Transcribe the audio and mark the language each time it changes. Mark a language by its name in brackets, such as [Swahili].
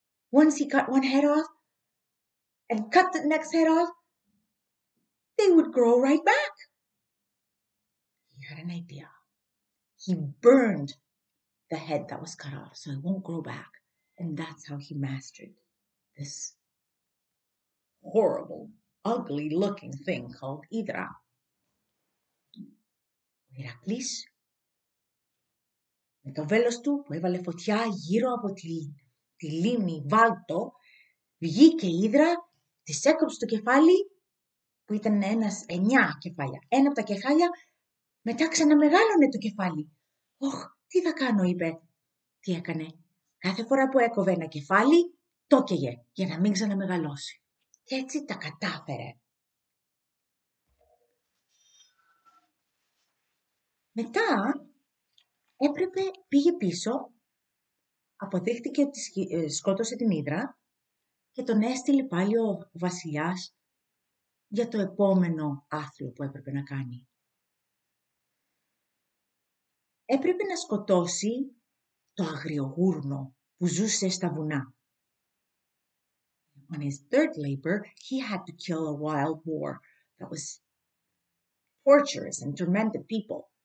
[English] Once he cut one head off and cut the next head off, they would grow right back. He had an idea. He burned the head that was cut off, so it won't grow back. And that's how he mastered this horrible, ugly-looking thing called Hydra. [Greek] Heracles, με το βέλος του που έβαλε φωτιά γύρω από τη λίμνη Βάλτο, βγήκε Hydra, της έκοψε το κεφάλι, που ήταν 9 κεφάλια. Ένα από τα κεφάλια, μετά ξαναμεγάλωνε το κεφάλι. «Ωχ, τι θα κάνω», είπε. Τι έκανε. Κάθε φορά που έκοβε ένα κεφάλι, το έκαιγε για να μην ξαναμεγαλώσει. Και έτσι τα κατάφερε. Μετά, πήγε πίσω, αποδείχτηκε ότι σκότωσε την Ύδρα και τον έστειλε πάλι ο βασιλιάς για το επόμενο άθλο που έπρεπε να κάνει. Έπρεπε να σκοτώσει το αγριογούρνο που ζούσε στα βουνά. [English] On his third labor, he had to kill a wild boar that was torturous and tormented people.